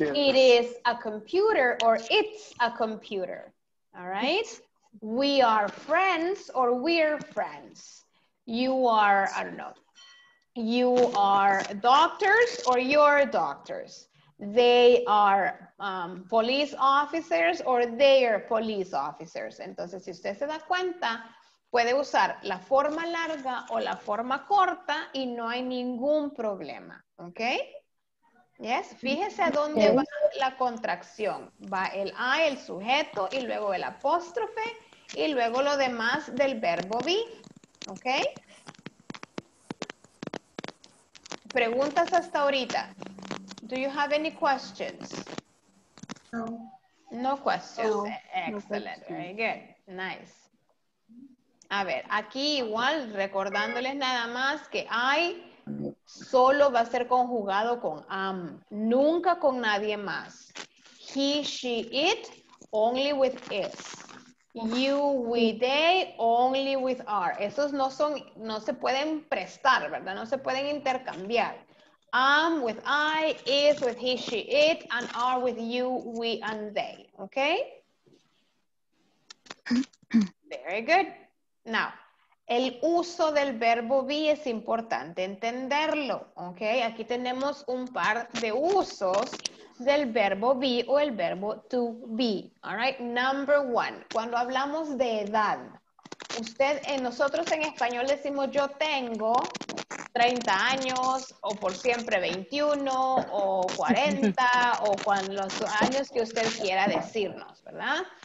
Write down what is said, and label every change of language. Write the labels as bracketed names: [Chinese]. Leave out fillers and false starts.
[English] It is a computer, or it's a computer. All right? We are friends, or we're friends. You are, I don't know, you are doctors, or you're doctors. They are police officers, or they are police officers. [Spanish] Entonces, si usted se da cuenta, puede usar la forma larga o la forma corta y no hay ningún problema, ¿ok? Yes, fíjese a dónde va la contracción. Va el I, el sujeto, y luego el apóstrofe, y luego lo demás del verbo be, ¿ok? ¿Preguntas hasta ahorita? [English] Do you have any questions? No. No questions. No. Excellent. No questions. Very good. Nice. [Spanish] A ver, aquí igual recordándoles nada más que I solo va a ser conjugado con am, nunca con nadie más. [English] He, she, it, only with is. You, we, they, only with are. [Spanish] Esos no son, no se pueden prestar, ¿verdad? No se pueden intercambiar. [English] Am with I, is with he, she, it, and are with you, we, and they. ¿Ok? Very good. [Spanish] Now, el uso del verbo be es importante entenderlo, ¿ok? Aquí tenemos un par de usos del verbo be o el verbo to be, [English] all right? Number one, [Spanish] cuando hablamos de edad, usted, nosotros en español decimos yo tengo 30 años o por siempre 21 o 40 o cuando los años que usted quiera decirnos, ¿verdad?